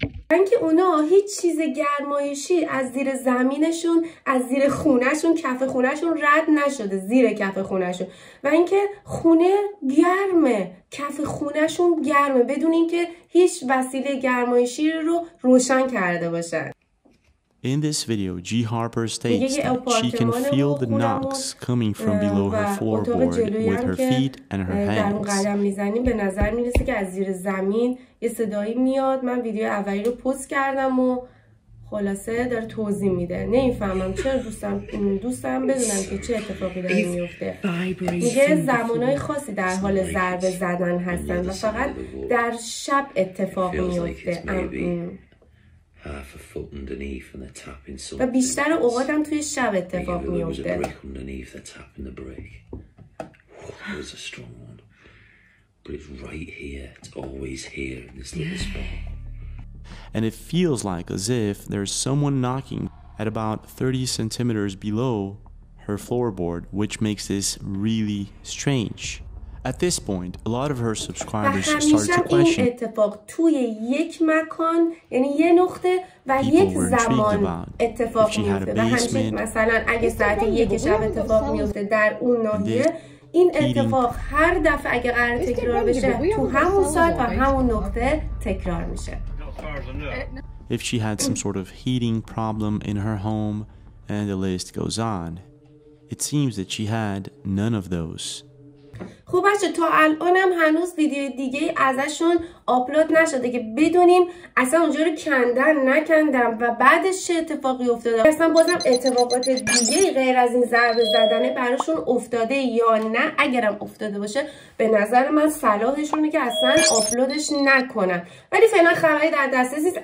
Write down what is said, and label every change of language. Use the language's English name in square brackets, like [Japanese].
[Persian] من که اونا هیچ چیز گرمایشی از زیر زمینشون، از زیر خونهشون، کف خونهشون رد نشده، زیر کف خونهشون، و اینکه خونه گرمه، کف خونهشون گرمه بدون اینکه هیچ وسیله گرمایشی رو روشن کرده باشن. [English] In this video, G. Harper states that she can feel the knocks coming from below her floorboard with her feet and her hands. [Persian] به نظر میرسه که از زیر زمین یه صدایی میاد. من ویدیو اولی رو پست کردم و خلاصه داره توضیح میده. نمیفهمم چرا دوستم بدونم که چه اتفاقی داره میفته. میگه زمانهای خاصی در حال ضربه زدن هستن و فقط در شب اتفاق میفته. [English] Half a foot underneath and they're tapping something. [Persian] و بیشتر اوقات هم توی شب اتفاق میفته. [English] There was a brick underneath, they're tapping the brick. Oh, it was a strong one. But it's right here, it's always here in this little spot. And it feels like as if there's someone knocking at about 30 centimeters below her floorboard, which makes this really strange. At this point, a lot of her subscribers started to question. [Persian] این اتفاق توی یک مکان، یعنی یه نقطه و یک زمان اتفاق میفته. و همچنین مثلا اگه ساعت یک شب اتفاق میفته در اون ناحیه، این اتفاق هر دفعه اگه قرار تکرار بشه تو همون ساعت و همون نقطه تکرار میشه. [English] If she had some sort of heating problem in her home, and the list goes on, it seems that she had none of those. [Persian] خب بچه تا الان هم هنوز ویدیو دیگه ازشون آپلود نشده که بدونیم اصلا اونجا رو کندن نکندن و بعدش چه اتفاقی افتاده، اصلا بازم اتفاقات دیگه غیر از این ضربه زدنه براشون افتاده یا نه. اگرم افتاده باشه به نظر من صلاحشونه که اصلا آپلودش نکنن، ولی فعلا خبری در دست نیست.